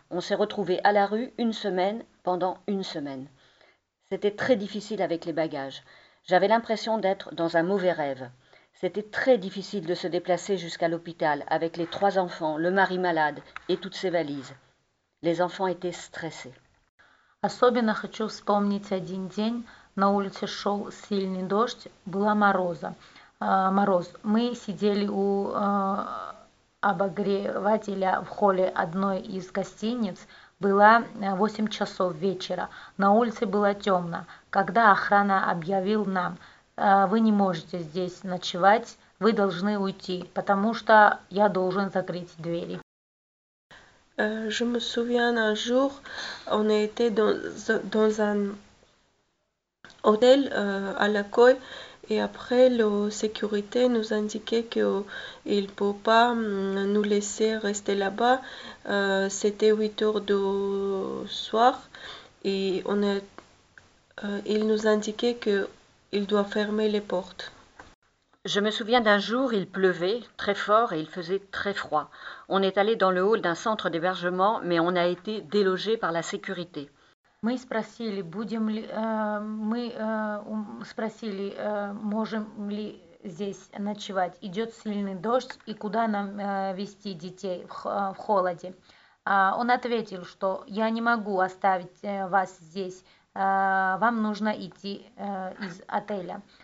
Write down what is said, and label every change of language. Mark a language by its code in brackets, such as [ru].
[fr] On s'est retrouvés à la rue une semaine pendant une semaine. C'était très difficile avec les bagages. J'avais l'impression d'être dans un mauvais rêve. C'était très difficile de se déplacer jusqu'à l'hôpital avec les trois enfants, le mari malade et toutes ses valises. Les enfants étaient stressés. [ru] Особенно хочу вспомнить один день. На улице шел сильный дождь, было мороз. Мы сидели у обогревателя в холле одной из гостиниц. Было 8 часов вечера. На улице было темно. Когда охрана объявил нам, вы не можете здесь ночевать, вы должны уйти, потому что я должен закрыть двери. [fr] Je me souviens un jour, on était dans un hôtel à l'accueil et après la sécurité nous indiquait qu'il ne peut pas nous laisser rester là-bas. C'était 8 heures du soir et il nous indiquait qu'il doit fermer les portes. Je me souviens d'un jour, il pleuvait très fort et il faisait très froid. On est allé dans le hall d'un centre d'hébergement, mais on a été délogé par la sécurité. [ru] Мы спросили, будем ли, мы спросили, можем ли здесь ночевать. Идет сильный дождь, и куда нам вести детей в холоде? Он ответил, что я не могу оставить вас здесь, вам нужно идти из отеля.